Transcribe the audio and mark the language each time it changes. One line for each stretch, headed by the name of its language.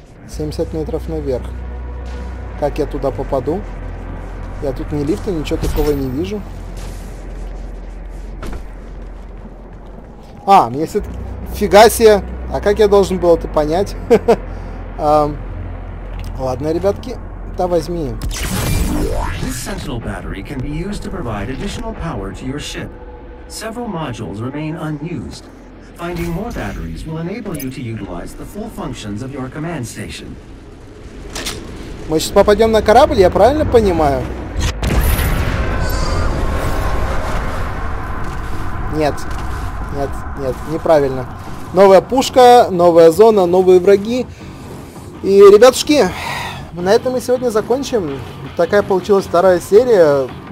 Russian: 70 метров наверх. Как я туда попаду? Я тут ни лифта, ничего такого не вижу. А, мне сет... Фига себе! А как я должен был это понять? Ладно, ребятки, да возьми.
English: This sentinel battery can be used to provide additional power to your ship. Several modules remain unused. Finding more batteries will enable you to utilize the full functions of your command station.
Russian: Мы сейчас попадем на корабль, я правильно понимаю? Нет. Нет, нет, неправильно. Новая пушка, новая зона, новые враги. И, ребятушки, на этом мы сегодня закончим. Такая получилась вторая серия.